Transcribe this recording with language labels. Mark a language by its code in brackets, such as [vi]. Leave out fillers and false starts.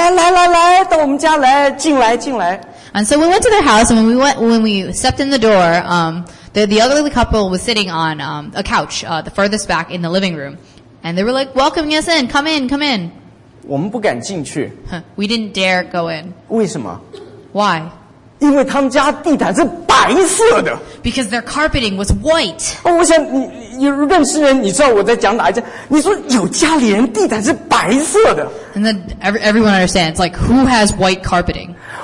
[zh] 然后我们一跑到那一家呢，那一家人呢，他们夫妻两人坐在整个客厅的最里面，他坐在沙发上说：“哎，来来来，到我们家来，进来进来。” [en] And so we went to their house, and when we stepped in the door, The elderly couple was sitting on a couch, the furthest back in the living room. And they were like, welcoming us in, come in, come in. [zh] 我们不敢进去。 [en] We didn't dare go in. [zh] 为什么? [en] Why? [zh] 因为他们家地毯是白色的。 [en] Because their carpeting was white. [zh] 我想你认识人，你知道我在讲哪一家。你说有家里人地毯是白色的。 [en] And then everyone understands, like, who has white carpeting?